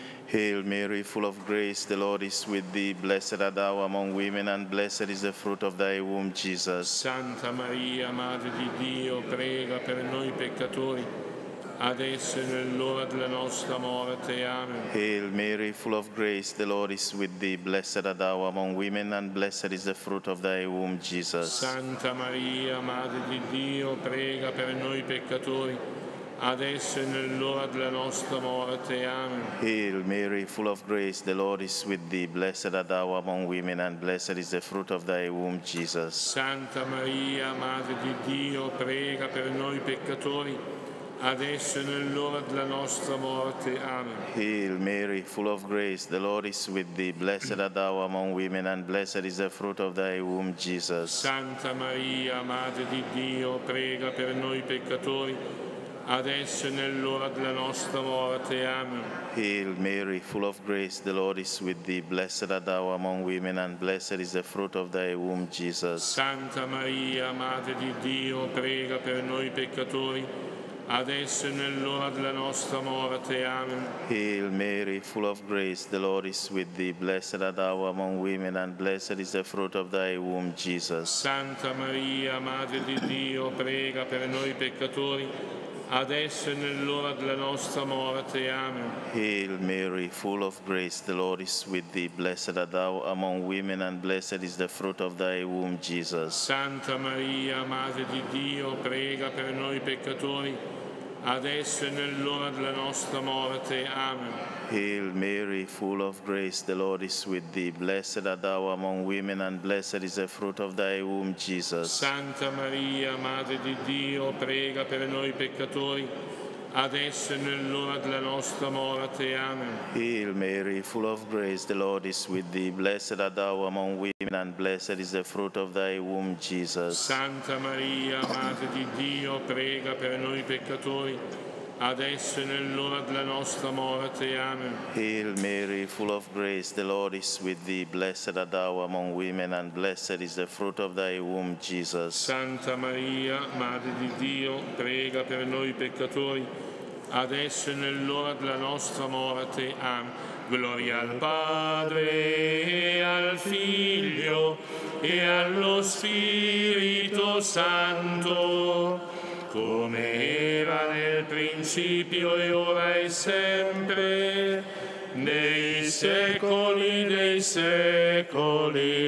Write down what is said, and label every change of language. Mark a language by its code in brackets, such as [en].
[en] Hail Mary, full of grace, the Lord is with thee. Blessed art thou among women, and blessed is the fruit of thy womb, Jesus. [it] Santa Maria, Madre di Dio, prega per noi peccatori, adesso e nell'ora della nostra morte. Amen. [en] Hail Mary, full of grace, the Lord is with thee. Blessed art thou among women, and blessed is the fruit of thy womb, Jesus. [it] Santa Maria, Madre di Dio, prega per noi peccatori. Adesso è nell'ora della nostra morte. Amen. [en] Hail Mary, full of grace, the Lord is with thee. Blessed art thou among women, and blessed is the fruit of thy womb, Jesus. [it] Santa Maria, Madre di Dio, prega per noi peccatori. Adesso è nell'ora della nostra morte. Amen. [en] Hail Mary, full of grace, the Lord is with thee. Blessed art thou among women, and blessed is the fruit of thy womb, Jesus. [it] Santa Maria, Madre di Dio, prega per noi peccatori. Adesso è nell'ora della nostra morte. Amen. [en] Hail Mary, full of grace, the Lord is with thee. Blessed art thou among women, and blessed is the fruit of thy womb, Jesus. [it] Santa Maria, Madre di Dio, prega per noi peccatori. Adesso è nell'ora della nostra morte. Amen. [en] Hail Mary, full of grace, the Lord is with thee. Blessed art thou among women, and blessed is the fruit of thy womb, Jesus. [it] Santa Maria, Madre di Dio, prega per noi peccatori. Adesso è nell'ora della nostra morte. Amen. [en] Hail Mary, full of grace, the Lord is with thee. Blessed art thou among women, and blessed is the fruit of thy womb, Jesus. [it] Santa Maria, Madre di Dio, prega per noi peccatori. Adesso è nell'ora della nostra morte. Amen. [en] Hail Mary, full of grace, the Lord is with thee. Blessed art thou among women, and blessed is the fruit of thy womb, Jesus. [it] Santa Maria, Madre di Dio, prega per noi peccatori. Adesso è nell'ora della nostra morte. Amen. [en] Hail Mary, full of grace, the Lord is with thee. Blessed art thou among women, and blessed is the fruit of thy womb, Jesus. [it] Santa Maria, Madre di Dio, prega per noi peccatori. Adesso è nell'ora della nostra morte. Amen. [en] Hail Mary, full of grace, the Lord is with thee. Blessed art thou among women, and blessed is the fruit of thy womb, Jesus. [it] Santa Maria, Madre di Dio, prega per noi peccatori. Adesso è nell'ora della nostra morte. Amen. Gloria al Padre, e al Figlio, e allo Spirito Santo, come era nel principio e ora e sempre, nei secoli dei secoli.